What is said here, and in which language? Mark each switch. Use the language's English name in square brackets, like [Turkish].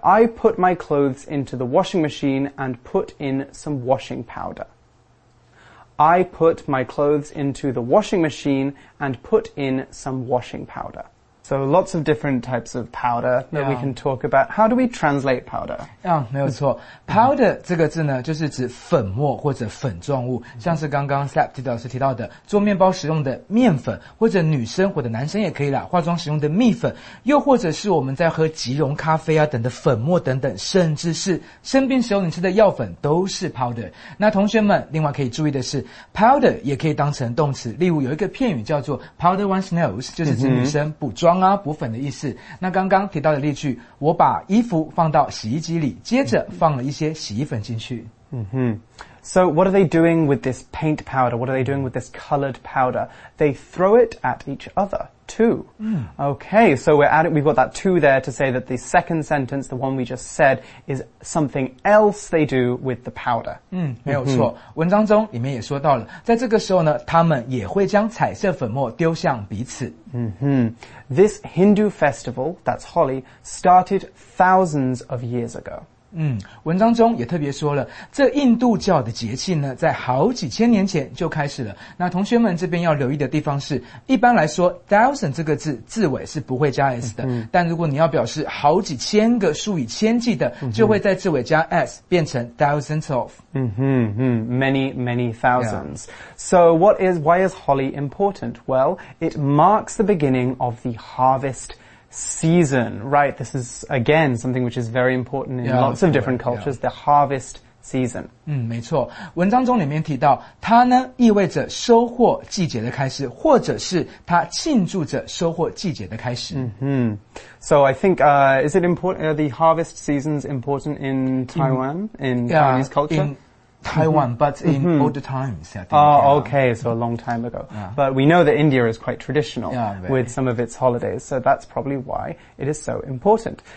[English] I put my clothes into the washing machine and put in some washing powder. I put my clothes into the washing machine and put in some washing powder. So lots of different types of powder that we can talk about. How do we translate powder? [Chinese] Yeah, 没有错。 Powder 这个字呢，就是指粉末或者粉状物，像是刚刚 Slap 老师提到的做面包使用的面粉，或者女生或者男生也可以啦，化妆使用的蜜粉，又或者是我们在喝即溶咖啡啊等的粉末等等，甚至是生病时候你吃的药粉都是 powder。那同学们，另外可以注意的是 ，powder 也可以当成动词，例如有一个片语叫做 [English] powder one's nose， [Chinese] 就是指女生补妆。妆啊，补粉的意思。那刚刚提到的例句，我把衣服放到洗衣机里，接着放了一些洗衣粉进去。 Mm-hmm. [English] So what are they doing with this paint powder? What are they doing with this colored powder? They throw it at each other too. Okay, so we've got that too there to say that the second sentence, the one we just said, is something else they do with the powder. [Chinese] 没有错。文章中里面也说到了，在这个时候呢，他们也会将彩色粉末丢向彼此。 Mm-hmm. [English] This Hindu festival, that's Holi, started thousands of years ago. [Chinese] 文章中也特别说了，这印度教的节庆呢，在好几千年前就开始了。那同学们这边要留意的地方是，一般来说 thousand 这个字字尾是不会加 s 的，但如果你要表示好几千个、数以千计的，就会在字尾加 s， 变成 [English] thousands of。 Many many thousands.、Yeah. So why is holly important? Well, it marks the beginning of the harvest. Season, right? This is, again, something which is very important in lots of different cultures, the harvest season. [Chinese] 没错。文章中里面提到，它呢，意味着收获季节的开始，或者是它庆祝着收获季节的开始。 [English] So I think, is it important, are the harvest seasons important in Taiwan, in Chinese culture? In Taiwan, but in old times, I think. Okay, so a long time ago. Yeah. But we know that India is quite traditional with some of its holidays, so that's probably why it is so important.